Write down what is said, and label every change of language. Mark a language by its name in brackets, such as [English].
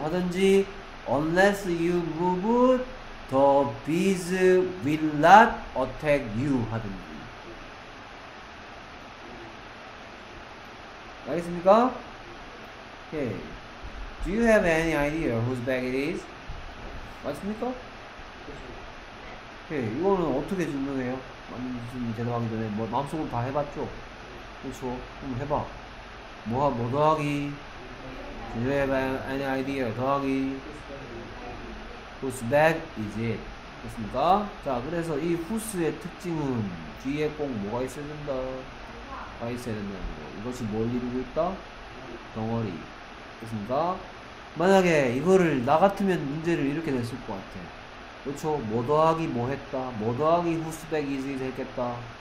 [Korean] 하든지, [English] unless you move, the bees will not attack you. [Korean] 하든지. 알겠습니까? [English] Okay. Do you have any idea whose bag it is? [Korean] 맞습니까? 오케이. 이거는 어떻게 증명해요? 맞는지 대답하기 전에 뭐 마음속으로 다 해봤죠? 그렇죠. 한번 해봐. 뭐 더하기? [English] Do you have any idea? [Korean] 더하기? [English] Whose bag is it? [Korean] 됐습니까? 자, 그래서 이 후스의 특징은 뒤에 꼭 뭐가 있어야 된다? 뭐가 있어야 된다는 거. 이것이 뭘 이루고 있다? 덩어리. 됐습니까? 만약에 이거를 나 같으면 문제를 이렇게 냈을 것 같아. 그렇죠? 뭐 더하기 뭐 했다? 뭐 더하기 [English] whose bag is it [Korean] 했겠다?